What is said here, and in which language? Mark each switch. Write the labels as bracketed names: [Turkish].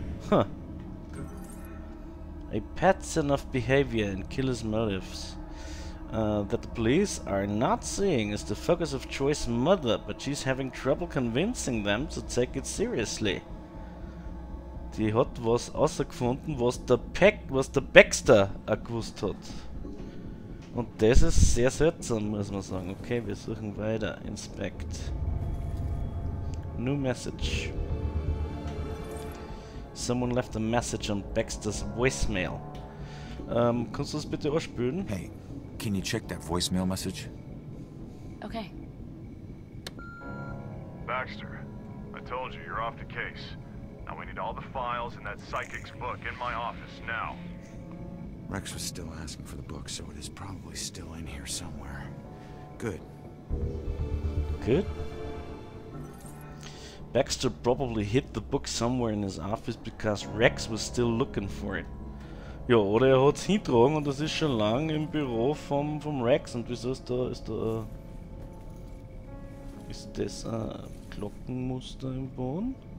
[English] Huh. A pattern of behavior and killer's motives. That the police are not seeing is the focus of Troy's mother, but she's having trouble convincing them to take it seriously. [German] Die hat was rausgefunden, was der Baxter gewusst hat. Und das ist sehr seltsam, muss man sagen. Okay, wir suchen weiter. [English] Inspect. New message. Someone left a message on Baxter's voicemail. [German] Kannst du das bitte ausspülen? [English] Hey, can you check that voicemail message? Okay. Baxter, I told you, you're off the case. Now we need all the files in that psychic's book in my office now. Rex was still asking for the book, so it is probably still in here somewhere. Good. Good? Baxter probably hid the book somewhere in his office because Rex was still looking for it. [German] Ja, oder er hat's hintragen und das ist schon lang im Büro vom Rex. Und wieso ist das ein Glockenmuster im Boden?